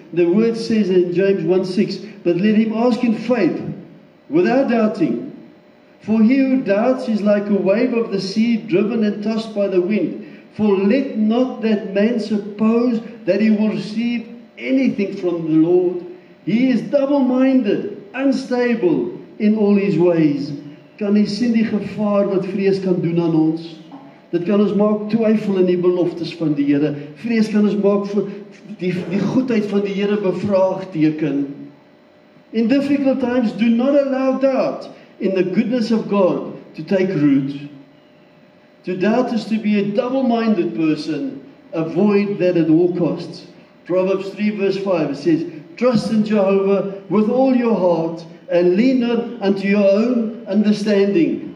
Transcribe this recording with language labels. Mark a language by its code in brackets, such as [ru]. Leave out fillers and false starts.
[en] The word says in James 1:6, but let him ask in faith, without doubting. For he who doubts is like a wave of the sea driven and tossed by the wind. For let not that man suppose that he will receive anything from the Lord. He is double-minded, unstable in all his ways. [af] Kan jy sien die gevaar wat vrees kan doen aan ons? Dit kan ons maak twyfel in die beloftes van die Here. Vrees kan ons maak vir die goedheid van die Here bevraagteken. [en] In difficult times, do not allow doubt in the goodness of God to take root. To doubt is to be a double-minded person. Avoid that at all costs. Proverbs 3 verse 5, it says, trust in Jehovah with all your heart and lean not unto your own understanding.